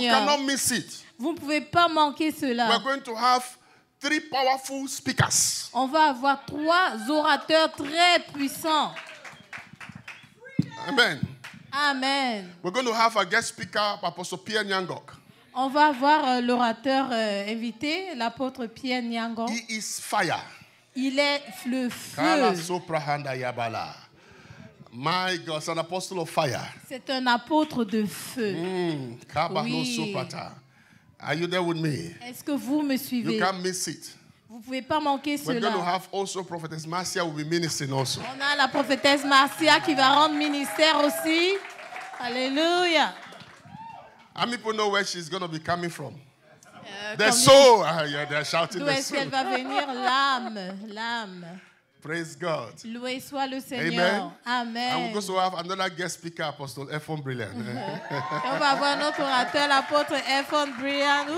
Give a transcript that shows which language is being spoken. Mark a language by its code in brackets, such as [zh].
[en] You cannot miss it. [fr] Vous ne pouvez pas manquer cela. [en] We are going to have three powerful speakers. [fr] On va avoir trois orateurs très puissants. [en] Amen. [fr] Amen. [en] We're going to have a guest speaker, Apostle Pierre Nyangok. [fr] On va voir l'orateur invité, l'apôtre Pierre Nyangok. [en] He is fire. [fr] Il est le feu. [en] My God, an apostle of fire. [fr] C'est un apôtre de feu. Kabanosopata. [en] Are you there with me? [fr] Est-ce que vous me suivez? [en] You can't miss it. [fr] Vous pouvez pas manquer [en] We're [fr] cela. [en] We're going to have also prophetess Marcia will be ministering also. [fr] On a la prophétesse Marcia qui va rendre ministère aussi. Alléluia. [en] How many people know where she's going to be coming from? The soul. They're shouting [fr] D'où [en] the soul. [fr] Elle va venir? L'âme. [en] Praise God. [fr] Loué soit le Seigneur. [en] Amen. [fr] Amen. [en] And we're going to have another guest speaker, Apostle Ephon Brilliant. [fr] On va avoir notre orateur, l'apôtre Ephon Brilliant.